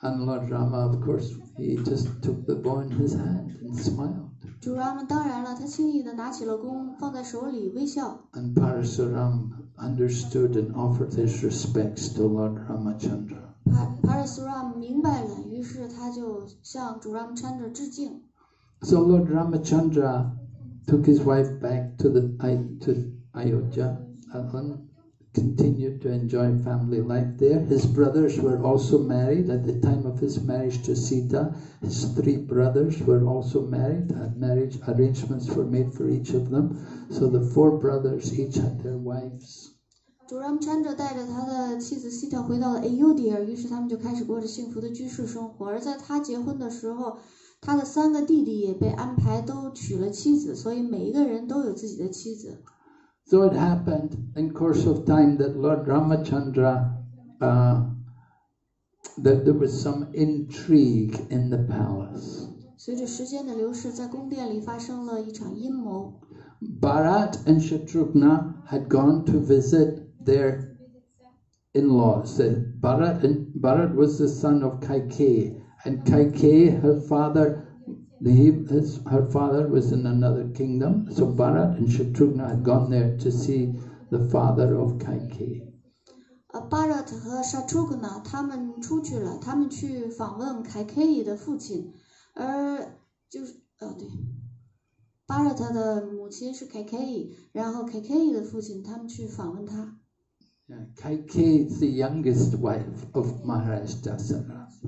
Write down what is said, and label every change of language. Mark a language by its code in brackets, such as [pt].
[en] And Lord Rama, of course, he just took the bow in his hand and smiled. [zh] 主 Rama 当然了，他轻易的拿起了弓，放在手里微笑。 [en] And Parasuram understood and offered his respects to Lord Ramachandra. [zh] Parasuram 明白了，于是他就向主 Ramachandra 致敬。 [en] So Lord Ramachandra took his wife back to Ayodhya and continued to enjoy family life there. His brothers were also married at the time of his marriage to Sita. His three brothers were also married, and marriage arrangements were made for each of them. So the four brothers each had their wives. [zh] 主 Ramchandra 带着他的妻子 Sita 回到了 Ayodhya， 于是他们就开始过着幸福的居士生活。而在他结婚的时候，他的三个弟弟也被安排都娶了妻子，所以每一个人都有自己的妻子。 [en] So it happened in course of time that Lord Ramachandra, that there was some intrigue in the palace. [zh] 随着时间的流逝，在宫殿里发生了一场阴谋。 [en] Bharat and Shatrughna had gone to visit their in-laws. Bharat was the son of Kaikeyi, and Kaikeyi, her father was in another kingdom. So Bharat and Shatrughna had gone there to see the father of Kaikeyi. [zh] Bharat 和 Shatrughna 他们出去了，他们去访问 Kaikeyi 的父亲，而就是哦对。巴拉特的母亲是 KK， 然后 KK 的父亲他们去访问他。 [en] KK is the youngest wife of Maharaj Dasarath.